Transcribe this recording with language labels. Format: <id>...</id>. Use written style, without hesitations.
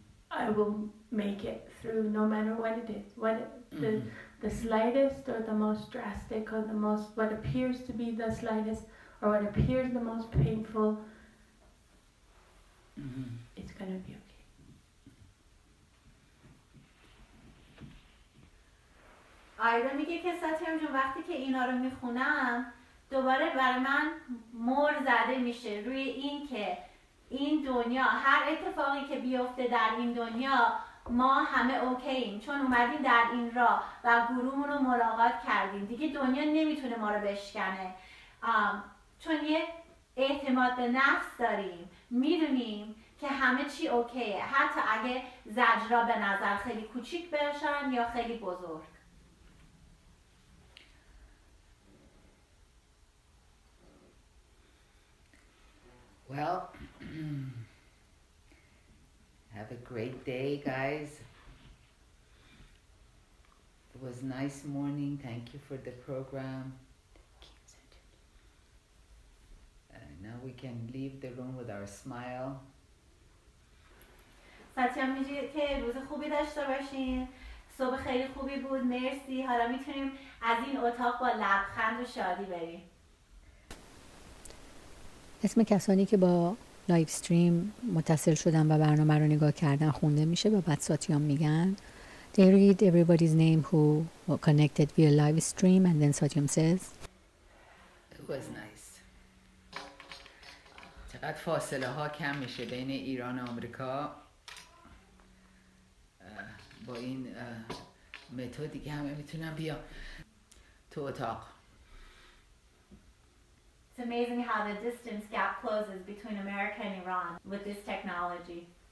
<en>I will make it through no matter what it is, what the slightest or the most drastic or the most, what appears to be the slightest or what appears the most painful, it's going to be okay.</en> <fa>آیدا میگه که ساتیرون جون وقتی که اینا رو میخونم دوباره برای من مهر زده میشه روی این که این دنیا هر اتفاقی که بیفته در این دنیا ما همه اوکییم چون اومدیم در این راه و گروهمون رو ملاقات کردیم دیگه دنیا نمیتونه ما رو بشکنه چون یه اعتماد به نفس داریم میدونیم که همه چی اوکیه حتی اگه زجرا به نظر خیلی کوچیک باشن یا خیلی بزرگ</fa> <en>Well, have a great day, guys. It was a nice morning. Thank you for the program. Now we can leave the room with our smile.</en> <fa>ساتیان میگه که روز خوبی داشته باشین. صبح خیلی خوبی بود. مرسی. حالا میتونیم از این اتاق با لبخند و شادی بریم. اسم کسانی که با لایف استریم متصل شدن و برنامه رو نگاه کردن خونده میشه و بعد ساتیان میگن</fa> <en>They read everybody's name who were connected via live stream and then Satyam says It was nice.</en> <fa>چقدر فاصله ها کم میشه بین ایران و آمریکا با این متد دیگه همه میتونم بیا تو اتاق.</fa> <en>It's amazing how the distance gap closes between America and Iran with this technology.</en>